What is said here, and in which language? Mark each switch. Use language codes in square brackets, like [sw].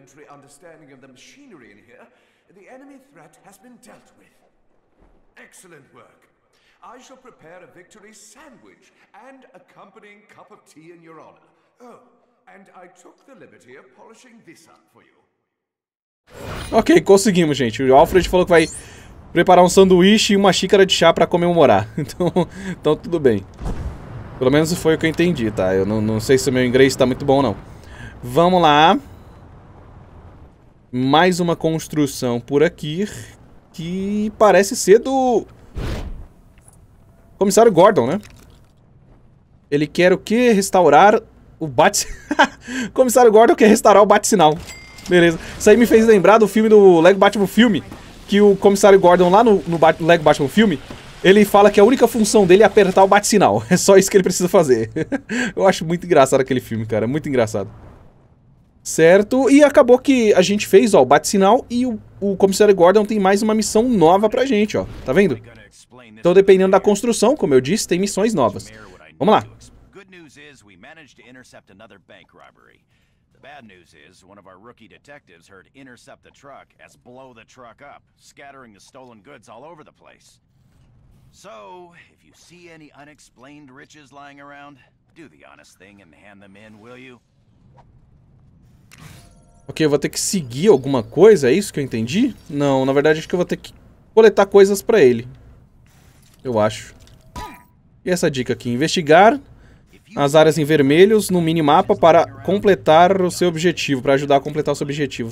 [en] Understanding of the machinery in here, the enemy threat has been dealt with. Excellent work. I shall prepare a victory sandwich and accompanying cup of tea in your honor. Oh, and I took the liberty of polishing this up for you. [pt] Ok, conseguimos, gente. O Alfred falou que vai preparar um sanduíche e uma xícara de chá para comemorar. Então tudo bem. Pelo menos foi o que eu entendi, tá? Eu não sei se o meu inglês está muito bom ou não. Vamos lá. Mais uma construção por aqui, que parece ser do Comissário Gordon, né? Ele quer o quê? Restaurar o Bat-sinal. Comissário Gordon quer restaurar o Bat-sinal. Beleza. Isso aí me fez lembrar do filme do Lego Batman filme, que o Comissário Gordon lá no Lego Batman filme, ele fala que a única função dele é apertar o Bat-sinal. É só isso que ele precisa fazer. Eu acho muito engraçado aquele filme, cara. Muito engraçado. Certo, e acabou que a gente fez, ó, o bate-sinal e o Comissário Gordon tem mais uma missão nova pra gente, ó. Tá vendo? Então, dependendo da construção, como eu disse, tem missões novas. Vamos lá. [en] Good news is we managed to intercept another bank robbery. The bad news is one of our rookie detectives heard intercept the truck as blow the truck up, scattering the stolen goods all over the place. So, if you see any unexplained riches lying around, do the honest thing and hand them in, will you? [pt] Ok, eu vou ter que seguir alguma coisa, é isso que eu entendi? Não, na verdade acho que eu vou ter que coletar coisas pra ele. Eu acho. E essa dica aqui? Investigar as áreas em vermelhos no minimapa para completar o seu objetivo, pra ajudar a completar o seu objetivo.